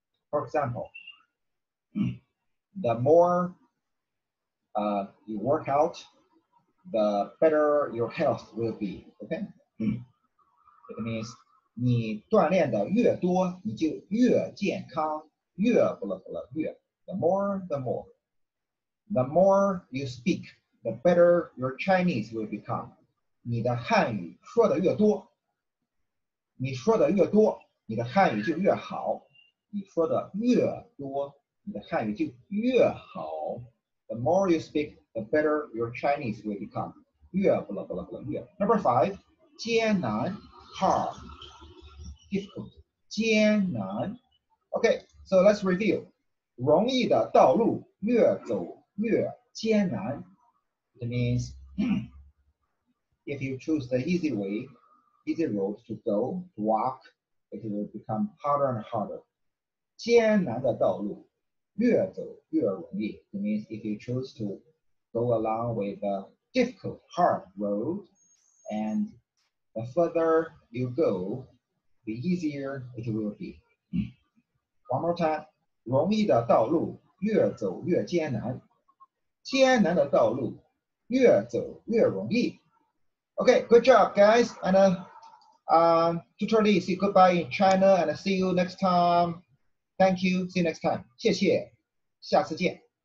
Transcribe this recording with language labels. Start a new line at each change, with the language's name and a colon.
English: For example, the more you work out, the better your health will be, okay? It means
Chinese: 你锻炼的越多,你就越健康, 越, blah, blah, 越.
English: The more, the more. The more you speak, the better your Chinese will become.
Chinese: 你的汉语说的越多,你说的越多,你的汉语就越好. 你说的越多,你的汉语就越好.
English: The more you speak, the better your Chinese will become. 越, blah, blah, blah, 越.Number five,
Chinese: 艰难,
English: hard, difficult. 艰难. Okay, so let's review.
Chinese: 容易的道路越走越艰难.
English: It means if you choose the easy way, easy road to go, to walk, it will become harder and harder.
Chinese: 艰难的道路, 越走越容易,
English: it means if you choose to go along with a difficult, hard road, and the further you go, the easier it will be. One more time.
Chinese: 容易的道路越走越艰难, 艰难的道路越走越容易.
English: Okay, good job, guys. And Tutor Li, say goodbye in China and see you next time. Thank you. See you next time.
Chinese: 谢谢。下次见。